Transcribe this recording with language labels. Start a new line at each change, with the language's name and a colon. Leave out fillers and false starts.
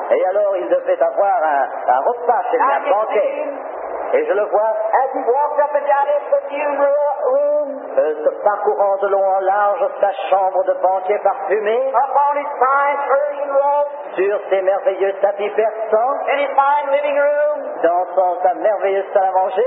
French: Et alors il devait avoir un repas chez lui, un banquet. Et je le vois.
English: As he walked up and down into the room.
French: Se parcourant de long en large sa chambre de banquet parfumée.
English: Up on his fine Persian rug.
French: Sur ses merveilleux tapis persans.
English: In his fine living room.
French: Dans sa merveilleuse salle à manger.